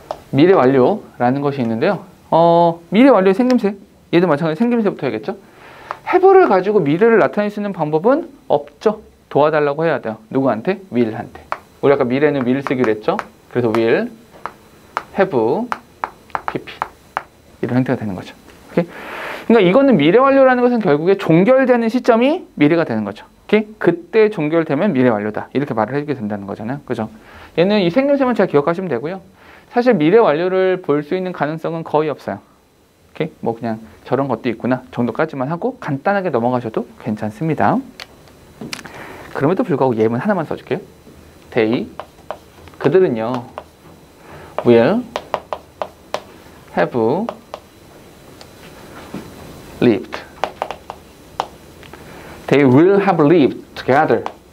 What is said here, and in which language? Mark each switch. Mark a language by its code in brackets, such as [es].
[ko] 미래 완료라는 것이 있는데요. 미래 완료의 생김새. 얘도 마찬가지로 생김새부터 해야겠죠? have를 가지고 미래를 나타낼 수 있는 방법은 없죠. 도와달라고 해야 돼요. 누구한테? will한테. 우리 아까 미래는 will 쓰기로 했죠? 그래서 [en] will, have, pp. [ko] 이런 형태가 되는 거죠. 오케이? 그러니까 이거는 미래 완료라는 것은 결국에 종결되는 시점이 미래가 되는 거죠. 오케이? 그때 종결되면 미래 완료다. 이렇게 말을 해주게 된다는 거잖아요. 그죠? 얘는 이 생김새만 잘 기억하시면 되고요. 사실 미래 완료를 볼 수 있는 가능성은 거의 없어요. 오케이? 뭐 그냥 저런 것도 있구나 정도까지만 하고 간단하게 넘어가셔도 괜찮습니다. 그럼에도 불구하고 예문 하나만 써줄게요. [en] They, [ko] 그들은요, [en] will, have, lived. They will have lived together.